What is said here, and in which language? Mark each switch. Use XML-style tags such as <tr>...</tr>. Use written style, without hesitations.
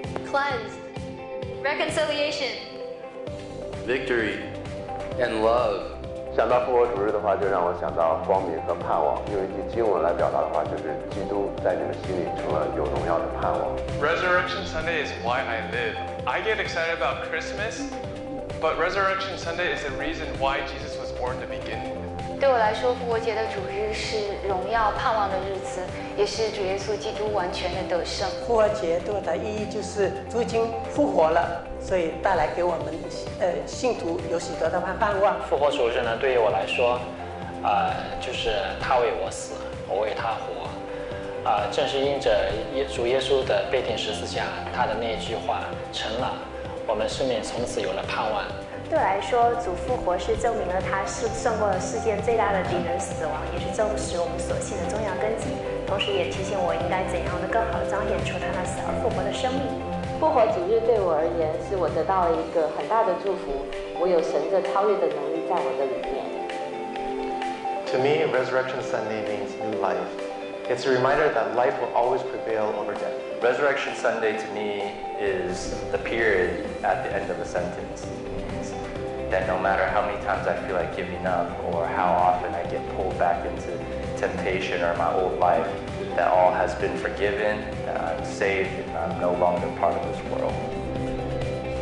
<en>Cleansed. Reconciliation. Victory. And love.</en> <zh>想到复活主日的话，就让我想到光明和盼望。用一句经文来表达的话，就是基督在你们心里成了有荣耀的盼望。 Resurrection Sunday is why I live. I get excited about Christmas, but Resurrection Sunday is the reason why Jesus was born to begin with. 对我来说，复活节的主日是荣耀盼望的日子，也是主耶稣基督完全的得胜。复活节对我的意义就是主已经复活了，所以带来给我们信徒有许多的盼望。复活主日呢，对于我来说，就是他为我死，我为他活。正是因着主耶稣的被钉十字架，他的那句话成了，我们生命从此有了盼望。对我来说，主复活是证明了他是胜过了世界最大的敌人死亡，也是证实我们所信的重要根基，同时也提醒我应该怎样的更好的彰显出他那死而复活的生命。复活主日对我而言，是我得到了一个很大的祝福，我有神的超越的能力在我的里面。</zh> <en>To me, Resurrection Sunday means new life. It's a reminder that life will always prevail over death. Resurrection Sunday to me is the period at the end of a sentenceThat no matter how many times I feel like giving up, or how often I get pulled back into temptation or my old life, that all has been forgiven, that I'm saved, and I'm no longer part of this world.</en>